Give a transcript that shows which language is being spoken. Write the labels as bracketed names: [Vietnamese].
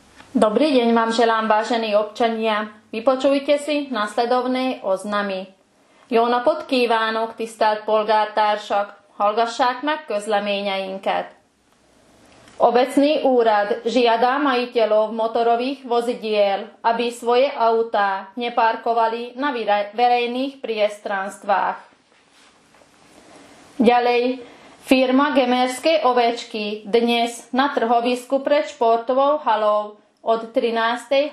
[Slovak] Dobrý deň vám želám, vážení občania. Vypočujte si nasledovné oznamy. [Hungarian] Jó napot kívánok, tisztelt polgártársak! Hallgassák meg közleményeinket! [Slovak] Obecný úrad žiada majiteľov motorových vozidiel, aby svoje autá neparkovali na verejných priestranstvách. Ďalej, firma Gemerské ovečky dnes na trhovisku pred športovou halou od 13.